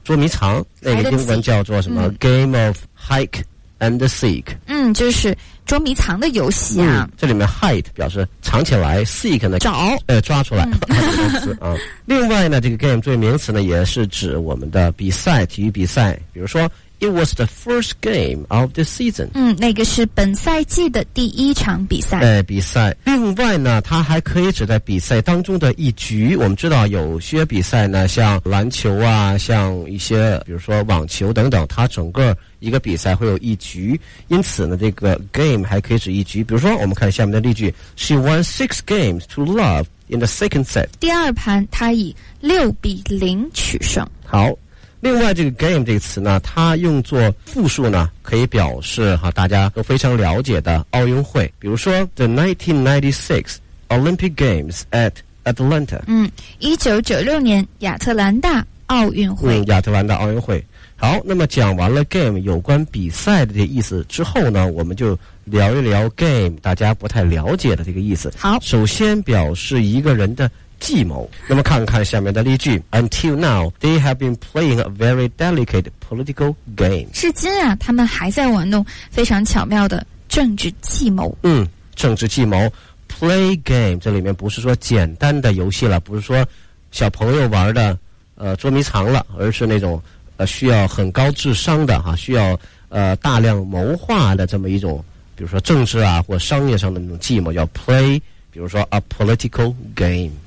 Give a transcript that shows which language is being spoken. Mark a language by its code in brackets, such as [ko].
[zh] 捉迷藏，那个英文叫做什么 ？ [en] Game of hide and seek。 [zh] 就是捉迷藏的游戏啊。这里面 hide 表示藏起来 ，seek 呢找，抓出来。另外呢，这个 game 作为名词呢，也是指我们的比赛，体育比赛。比如说 [en] ，It was the first game of the season。 [zh] 那个是本赛季的第一场比赛。比赛。另外呢，它还可以指在比赛当中的一局。我们知道有些比赛呢，像篮球啊，像一些比如说网球等等，它整个一个比赛会有一局，因此呢，这个 game 还可以指一局。比如说，我们看下面的例句 [en] ：She won 6 games to love in the second set。 [zh] 第二盘，她以6-0取胜。好，另外这个 game 这个词呢，它用作复数呢，可以表示哈大家都非常了解的奥运会，比如说 [en] the 1996 Olympic Games at Atlanta。 [zh] 1996年亚特兰大奥运会。亚特兰大奥运会。好，那么讲完了 game 有关比赛的这意思之后呢，我们就聊一聊 game 大家不太了解的这个意思。好，首先表示一个人的计谋。那么看看下面的例句 [en] ：Until now, they have been playing a very delicate political game。 [zh] 至今啊，他们还在玩弄非常巧妙的政治计谋。政治计谋 ，play game 这里面不是说简单的游戏了，不是说小朋友玩的捉迷藏了，而是那种需要很高智商的哈，需要大量谋划的这么一种，比如说政治啊或商业上的那种计谋，叫 play， 比如说 [en] a political game。